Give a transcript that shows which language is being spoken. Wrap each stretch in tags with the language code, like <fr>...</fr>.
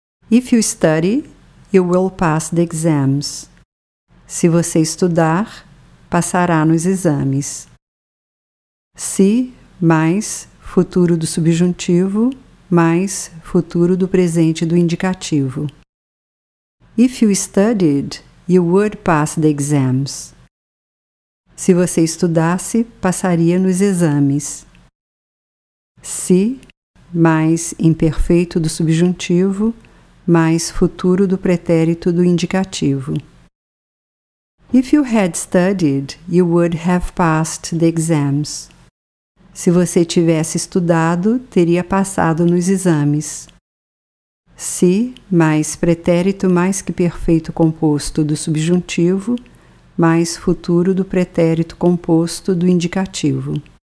<en>If you study, you will pass the exams.</en> <pt>Se você estudar, passará nos exames. Se mais futuro do subjuntivo mais futuro do presente do indicativo.</pt> <en>If you studied, you would pass the exams.</en> <pt>Se você estudasse, passaria nos exames. Se mais imperfeito do subjuntivo mais futuro do pretérito do indicativo.</pt> <en>If you had studied, you would have passed the exams.</en> <pt>Se você tivesse estudado, teria passado nos exames. Se mais pretérito mais que perfeito composto do subjuntivo, mais futuro do pretérito composto do indicativo.</pt>